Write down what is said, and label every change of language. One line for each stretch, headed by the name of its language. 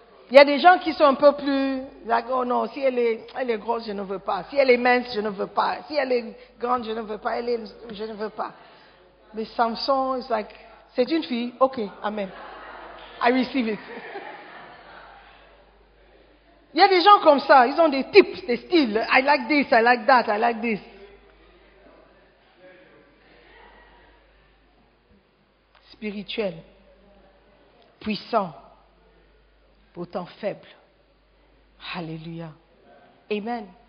French: Il y a des gens qui sont un peu plus, like, oh non, si elle est grosse, je ne veux pas. Si elle est mince, je ne veux pas. Si elle est grande, je ne veux pas. Elle est, je ne veux pas. Mais Samson,
English: it's like,
French: c'est une fille, ok, amen.
English: I receive it.
French: Il y a des gens comme ça, ils ont des types, des styles.
English: I like this, I like that, I like this.
French: Spirituel, puissant, pourtant faible. Alléluia. Amen.